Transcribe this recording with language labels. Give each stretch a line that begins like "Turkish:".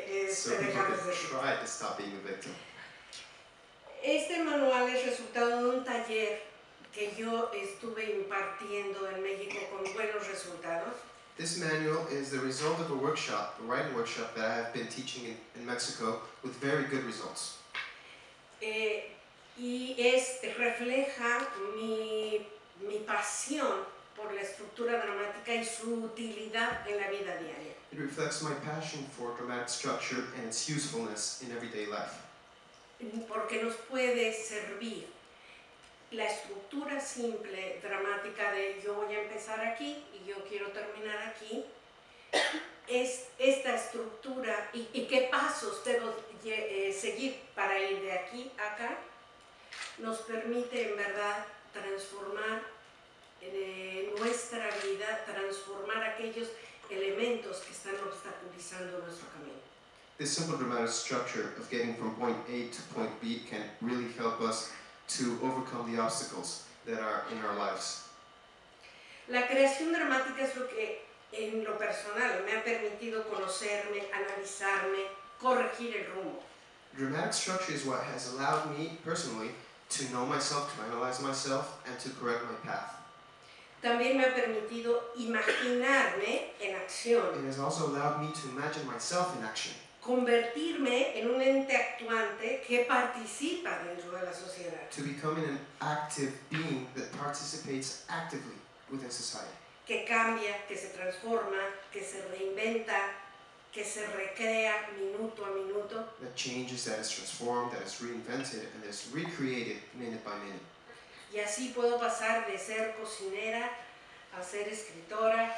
English: So people can try to stop being a victim.
Spanish: Este manual es resultado de un taller que yo estuve impartiendo en México con buenos resultados.
English: This manual is the result of a workshop, a writing workshop that I have been teaching in Mexico with very good results.
Spanish: Y es refleja mi pasión por la estructura dramática y su utilidad en la vida diaria.
English: It reflects my passion for dramatic structure and its usefulness in everyday life.
Spanish: Porque nos puede servir la estructura simple dramática de yo voy a empezar aquí y yo quiero terminar aquí, es esta estructura y qué pasos debo seguir para ir de aquí a acá, nos permite en verdad transformar nuestra vida, transformar aquellos elementos que están obstaculizando nuestro camino.
English: This simple dramatic structure of getting from point A to point B can really help us to overcome the obstacles that are in our lives.
Spanish: La creación dramática es lo que en lo personal me ha permitido conocerme, analizarme, corregir el rumbo.
English: Dramatic structure is what has allowed me personally to know myself, to analyze myself, and to correct my path.
Spanish: También me ha permitido imaginarme en acción.
English: It has also allowed me to imagine myself in action.
Spanish: Convertirme en un ente actuante que participa dentro de la sociedad.
English: To become an active being that participates actively within society.
Spanish: Que cambia, que se transforma, que se reinventa, que se recrea minuto a minuto.
English: That changes, that is transformed, that is reinvented, and that is recreated minute by minute.
Spanish: Y así puedo pasar de ser cocinera a ser escritora.